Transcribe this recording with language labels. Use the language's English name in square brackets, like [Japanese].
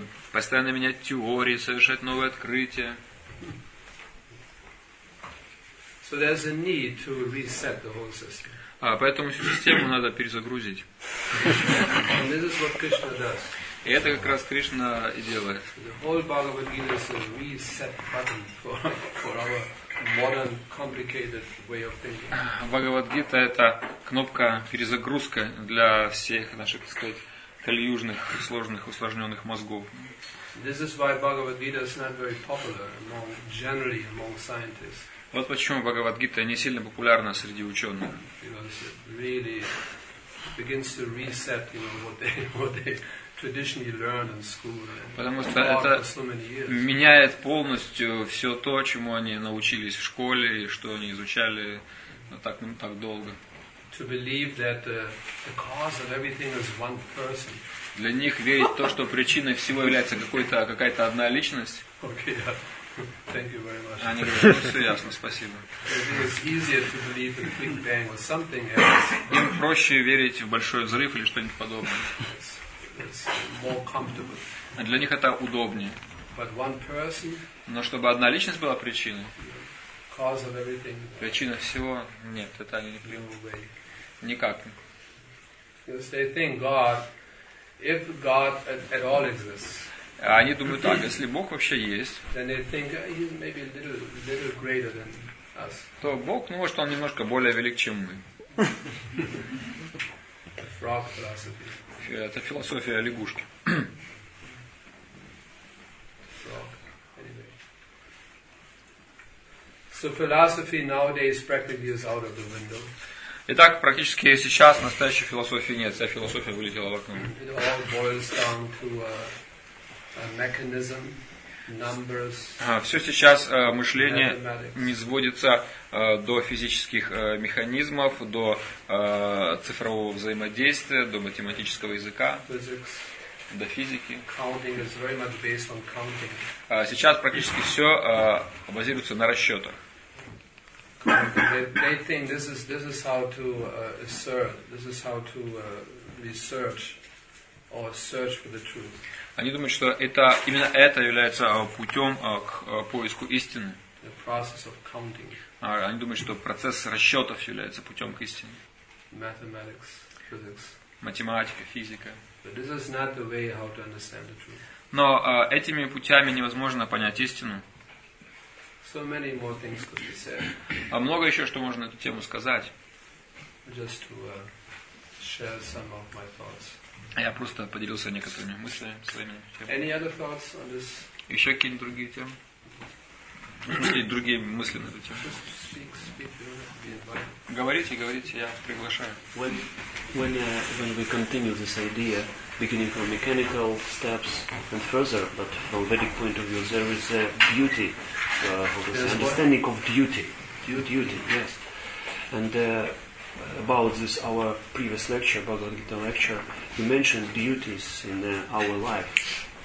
[Russian] Постоянно менять теории, совершать новые открытия. [English] So there's a need to reset the whole system. [Russian] Поэтому всю систему надо перезагрузить. [English] And this is what Krishna does. [Russian] И это как раз Кришна и делает. [English] The whole Bhagavad Gita is a reset button for our modern complicated way of thinking. [Russian] Бхагавад-гита это кнопка перезагрузка для всех наших, так сказать, кальюжных, сложных, усложненных мозгов. [English] This is why Bhagavad-gita is not very popular among scientists. [Russian] Вот почему Бхагавад-гита не сильно популярна среди ученых. [English] Because it really begins to reset, you know, what they traditionally learn in school. [Russian] Потому что это меняет полностью все то, чему они научились в школе и что они изучали так долго. [English] To believe that the cause of everything is one person. [Russian] Для них верить в то, что причиной всего является какая-то одна личность. [English] Okay, yeah. Thank you very much. [Russian] Они говорят, все ясно, спасибо. [English] It's easier to believe in Big Bang or something else. [Russian] Им проще верить в большой взрыв или что-нибудь подобное. [English] It's more comfortable. [Russian] Для них это удобнее. [English] But one person, [Russian] но чтобы одна личность была причиной, [English] cause of everything, [Russian] причина всего, нет, это они не принимают. Никак. [English] Because they think God, if God at all exists, [Russian] они думают так, если Бог вообще есть, [English] then they think he's maybe a little greater than us. [Russian] То Бог, ну может он немножко более велик, чем мы. [English] The frog philosophy. [Russian] Это философия лягушки. [English] So philosophy nowadays practically is out of the window. [Russian] Итак, практически сейчас настоящей философии нет, вся философия вылетела в окно. [English] It all boils down to a mechanism. numbers, [Russian] все сейчас мышление не сводится до физических механизмов, до цифрового взаимодействия, до математического языка, [English] physics, [Russian] до физики. [English] Counting is very much based on counting. [Russian] Сейчас практически все базируется на расчетах. [English] They think this is how to assert, this is how to research or search for the truth. [Russian] Они думают, что это именно это является путем к поиску истины. [English] The process of counting. [Russian] Они думают, что процесс расчетов является путем к истине. [English] Mathematics, physics. [Russian] Математика, физика. [English] But this is not the way how to understand the truth. [Russian] Но этими путями невозможно понять истину. [English] So many more things could be said. [Russian] А много еще что можно на эту тему сказать. [English] Just to share some of my thoughts. [Russian] Я просто поделился некоторыми мыслями своими. [English] Any other thoughts on this? [Russian] Еще какие-нибудь другие темы? Мысли, другие мысли на эту тему. Говорите, я приглашаю. [English] When we continue this idea, beginning from mechanical steps and further, but from Vedic point of view, there is a beauty, understanding what? Of duty. Duty, yes. And about this, our previous lecture, Bhagavad Gita lecture, you mentioned duties in our life.